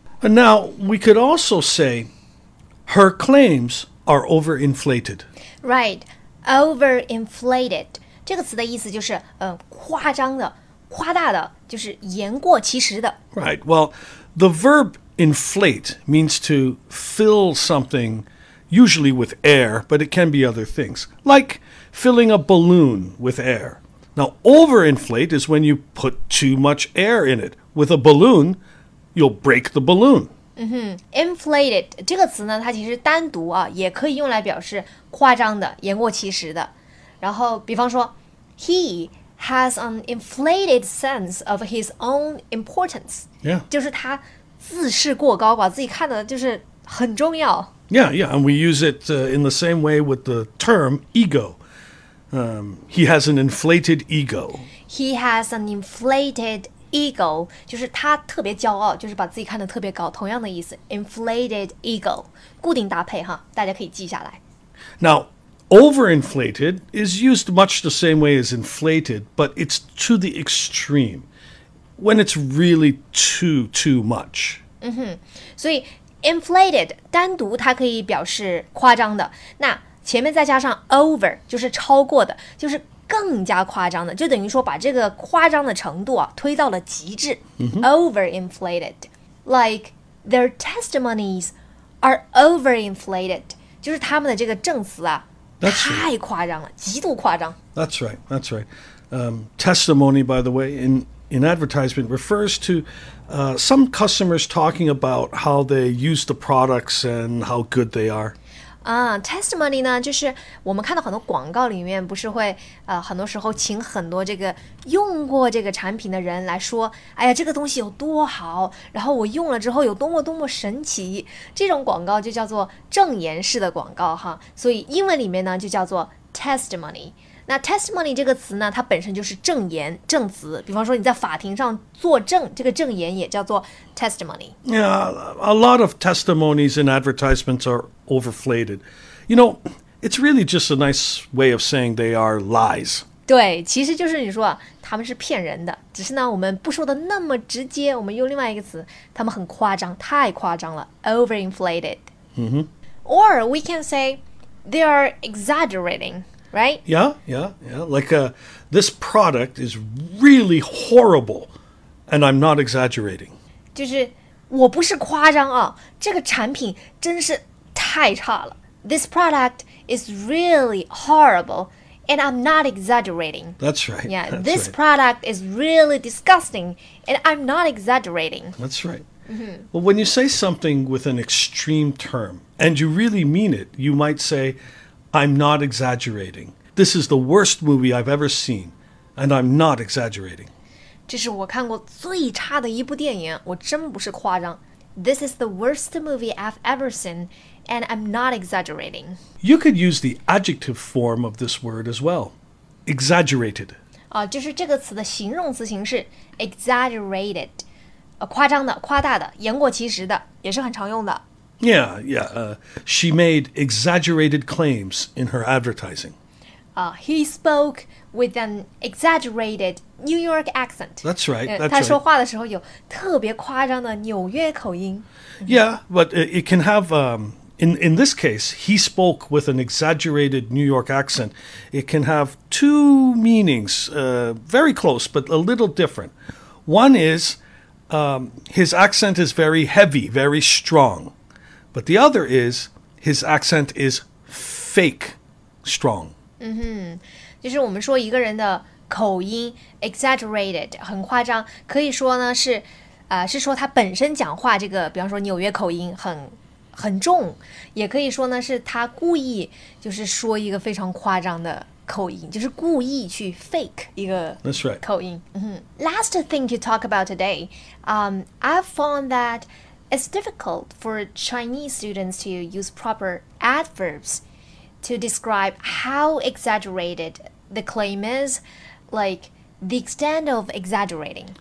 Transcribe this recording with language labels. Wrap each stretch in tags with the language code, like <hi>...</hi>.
<en>And now, we could also say, her claims are overinflated. Right. Overinflated.</en> <zh>这个词的意思就是、夸张的、夸大的，就是言过其实的。</zh> <en>Right. Well, the verb inflate means to fill something... Usually with air, but it can be other things, like filling a balloon with air. Now, overinflate is when you put too much air in it. With a balloon, you'll break the balloon.</en> <zh>Inflated 这个词呢，它其实单独啊，也可以用来表示夸张的、言过其实的。然后，比方说 ，</zh> <en>He has an inflated sense of his own importance. Yeah.</en> <zh>就是他自视过高，把自己看得就是很重要。</zh> <en>Yeah, yeah, and we use it in the same way with the term ego. He has an inflated ego. He has an inflated ego.</en> <zh>就是他特别骄傲，就是把自己看得特别高，同样的意思 inflated ego. 固定搭配哈，大家可以记下来。</zh> <en>Now, overinflated is used much the same way as inflated, but it's to the extreme. When it's really too much.</en> <zh>嗯哼，所以Inflated, 单独它可以表示夸张的。那前面再加上 over, 就是超过的，就是更加夸张的，就等于说把这个夸张的程度啊，推到了极致。 Mm-hmm.</zh> <en>Overinflated. Like, their testimonies are overinflated.</en> <zh>就是他们的这个证词啊、</zh> <en>That's、</en> <zh>太、</zh> <en>right.</en> <zh>夸张了，极度夸张。</zh> <en>That's right, that's right. Testimony, by the way, in advertisement refers to some customers talking about how they use the products and how good they are.</en> <zh>Testimony 呢就是我们看到很多广告里面不是会很多时候请很多这个用过这个产品的人来说哎呀这个东西有多好然后我用了之后有多么多么神奇这种广告就叫做证言式的广告哈所以英文里面呢就叫做 testimony。那 testimony 这个词呢它本身就是证言证词比方说你在法庭上作证这个证言也叫做 testimony</zh> <en>Yeah, a lot of testimonies in advertisements are overflated You know, it's really just a nice way of saying they are lies</en> <zh>对其实就是你说他们是骗人的只是呢我们不说的那么直接我们用另外一个词他们很夸张太夸张了 overinflated、 mm-hmm.</zh> <en>Or we can say they are exaggeratingRight? Yeah, yeah, yeah. Like, this product is really horrible, and I'm not exaggerating.</en> <zh>就是我不是夸张啊，这个产品真是太差了。</zh> <en>This product is really horrible, and I'm not exaggerating. That's right. Yeah, that's this right. product is really disgusting, and I'm not exaggerating. That's right. Mm-hmm. Well, when you say something with an extreme term, and you really mean it, you might say,I'm not exaggerating. This is the worst movie I've ever seen, and I'm not exaggerating.</en> <zh>这是我看过最差的一部电影，我真不是夸张。</zh> <en>This is the worst movie I've ever seen, and I'm not exaggerating. You could use the adjective form of this word as well. Exaggerated.</en> <zh>就是这个词的形容词形式 exaggerated. 夸张的，夸大的，言过其实的，也是很常用的。</zh> <en>Yeah, yeah. She made exaggerated claims in her advertising. He spoke with an exaggerated New York accent. That's right. That's</en> <zh>他说话的时候有特别夸张的纽约口音。</zh> <en>Yeah, but it can have, in this case, he spoke with an exaggerated New York accent. It can have two meanings, very close, but a little different. One is, his accent is very heavy, very strong. But the other is, his accent is fake strong.</en> <zh>嗯哼，就是我们说一个人的口音 exaggerated, 很夸张，可以说呢是，是说他本身讲话这个，比方说纽约口音很重，也可以说呢是他故意就是说一个非常夸张的口音，就是故意去 fake 一个口音。</zh> <en>That's right. 嗯哼。 Last thing to talk about today, I've found that. It's difficult for Chinese students to use proper adverbs to describe how exaggerated the claim is, like the extent of exaggerating.</en>